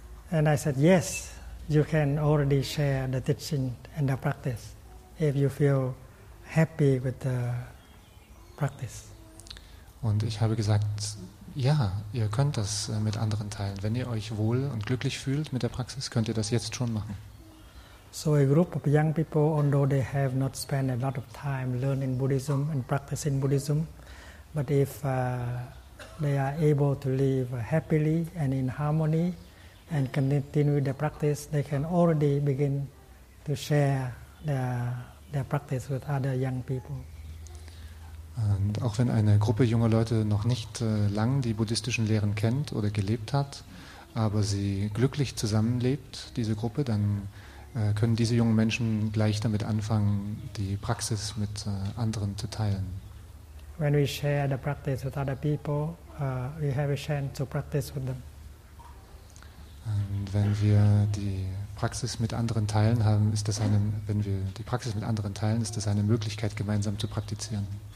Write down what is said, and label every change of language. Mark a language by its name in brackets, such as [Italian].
[English] And I said, "Yes, you can already share the teaching and the practice if you feel happy with the practice." [German] Und ich habe gesagt, ja, ihr könnt das mit anderen teilen. Wenn ihr euch wohl und glücklich fühlt mit der Praxis, könnt ihr das jetzt schon machen. [English] So a group of young people, although they have not spent a lot of time learning Buddhism and practicing Buddhism, but if they are able to live happily and in harmony and continue the practice, they can already begin to share their practice with other young people. [German] Und auch wenn eine Gruppe junger Leute noch nicht lang die buddhistischen Lehren kennt oder gelebt hat, aber sie glücklich zusammenlebt, diese Gruppe, dann können diese jungen Menschen gleich damit anfangen, die Praxis mit anderen zu teilen. [English] When we share the practice with other people, we have a chance to practice with them. [German] Und wenn wir die Praxis mit anderen teilen haben, ist das eine, wenn wir die Praxis mit anderen teilen, ist das eine Möglichkeit, gemeinsam zu praktizieren.